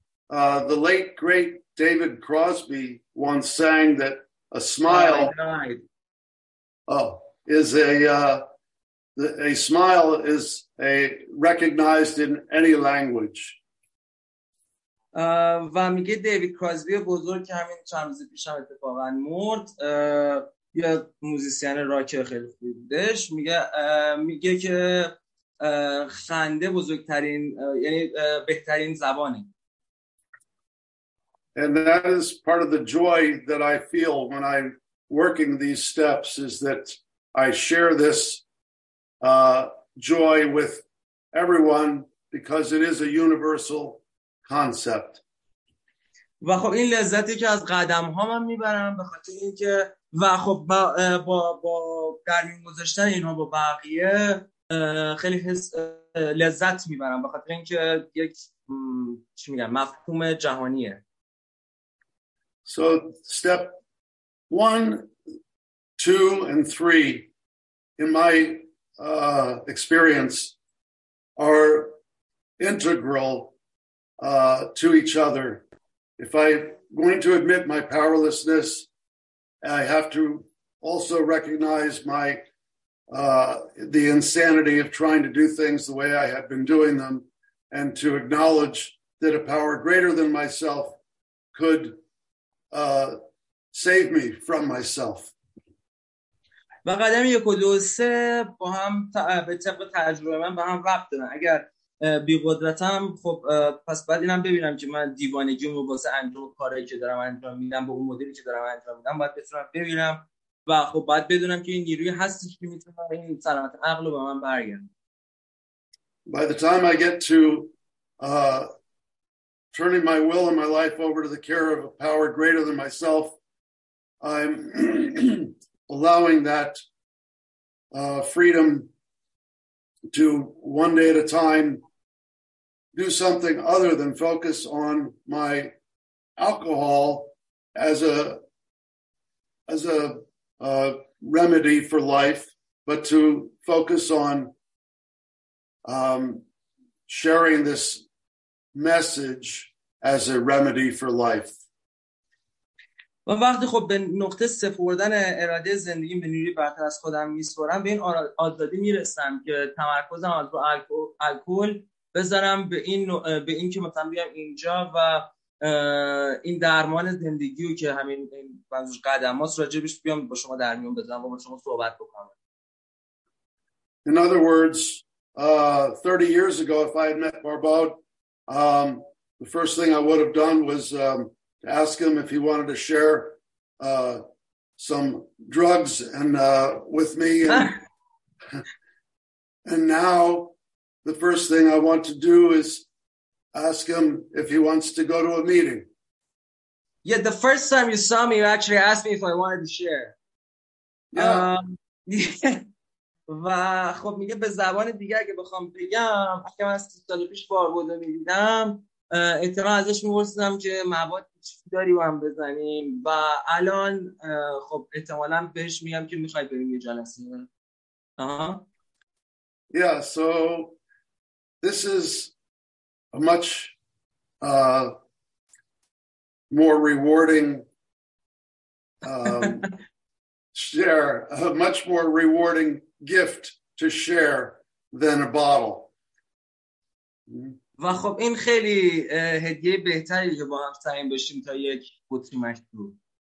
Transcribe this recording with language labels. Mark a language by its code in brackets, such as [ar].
[en] The late great David Crosby once sang that a smile a smile is a recognized in any language. [fa] و میگه دیوید کراسبی بزرگ که همین چند روز پیش هم اتفاقا مرد، یا موزیسین راک خیلی خوبی بودش، میگه که خنده بزرگترین یعنی بهترین زبانه. [en] And that is part of the joy that I feel when I'm working these steps, is that I share this joy with everyone because it is a universal concept. [fa] و خب این لذتی که از قدم هام میبرم به خاطر اینکه و خب با در میون گذاشتن اینها با بقیه خیلی حس لذت میبرم به خاطر اینکه یک چی میگم مفهوم جهانیه. [en] So step 1, 2, and 3 in my experience are integral to each other. If I'm going to admit my powerlessness, I have to also recognize my the insanity of trying to do things the way I have been doing them, and to acknowledge that a power greater than myself could save me from myself. [fa] و قدم یک و دو سه با هم به طبق تجربه من با هم ربط دارن. اگر بی‌قدرتم خب پس باید اینم ببینم که من دیوانگیمو واسه انجام کاری که دارم انجام میدم به اون مدلی که دارم انجام میدم باید بتونم ببینم و خب باید بدونم که این نیروی هستی که میتونه این سلامت عقل رو به من برگرده. [en] By the time I get to turning my will and my life over to the care of a power greater than myself, I'm allowing that freedom to one day at a time do something other than focus on my alcohol as a remedy for life, but to focus on sharing this message as a remedy for life. [fa] و وقتی خب به نقطه سپردن اراده زندگیم به نیروی برتر از خودم میسپارم به این آزادی میرسم که تمرکزم از رو الکل بذارم به این که مثلا بیام اینجا و این درمان زندگی رو که همین منظور قدم هاست راجبش بیام با شما در میون بذارم و با شما صحبت بکنم. [en] In other words, 30 years ago if I had met Barbaud, the first thing I would have done was ask him if he wanted to share some drugs and with me and now the first thing I want to do is ask him if he wants to go to a meeting. Yeah, the first time you saw me you actually asked me if I wanted to share. [fa] و خب میگه به زبان دیگه اگه بخوام بگم اگه من 30 سال پیش باربود رو میدیدم احتمال ازش میپرسیدم که مواد چی داری با هم بزنیم و الان خب احتمالا بهش میگم که میخوای بریم یه جلسه. [en] Yeah, so this is a much more rewarding share, a much more rewarding gift to share than a bottle. [fa] و خب این خیلی هدیه بهتری که با هم تعیین بشیم تا یک بطری مشروب.